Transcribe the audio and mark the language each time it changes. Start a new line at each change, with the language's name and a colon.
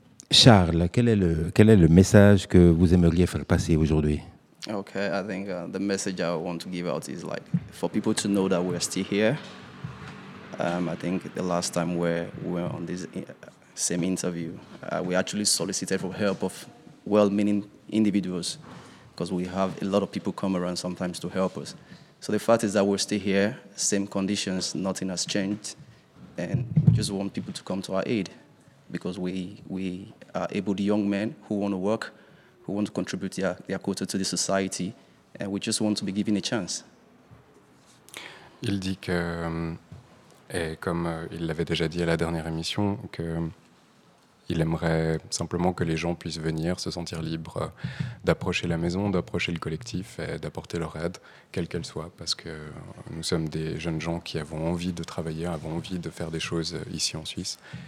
French: Charles, quel est le message que vous aimeriez faire passer aujourd'hui? Ok, je pense que le message que je veux donner est pour les gens de savoir que nous sommes toujours ici. Je pense que la dernière fois que nous étions sur cette...
English: same interview. We actually solicited for help of well-meaning individuals because we have a lot of people come around sometimes to help us. So the fact is that we're still here, same conditions, nothing has changed, and we just want people to come to our aid because we are able young men who want to work, who want to contribute their quota to the society, and we just want to be given a chance.
French: Il dit que... Et comme il l'avait déjà dit à la dernière émission, qu'il aimerait simplement que les gens puissent venir se sentir libres d'approcher la maison, d'approcher le collectif et d'apporter leur aide, quelle qu'elle soit, parce que nous sommes des jeunes gens qui avons envie de travailler, avons envie de faire des choses ici en Suisse.